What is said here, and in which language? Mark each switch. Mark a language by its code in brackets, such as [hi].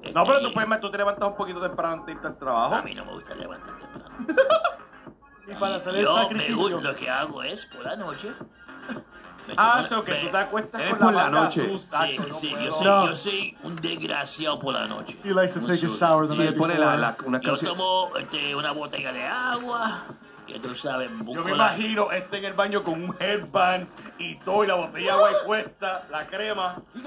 [es] No, pero tú te levantas un poquito temprano antes de irte al trabajo. A mí no me gusta levantar temprano. Y para hacer el sacrificio. Yo lo que hago es por la noche. Eso que tú te acuestas con la noche. Yo soy un desgraciado por la noche. [en] He likes to take a shower the night before. [es] Yo tomo una botella de agua. Y tú sabes, yo me imagino este en el baño con un headband y todo, y la botella de agua puesta, la crema.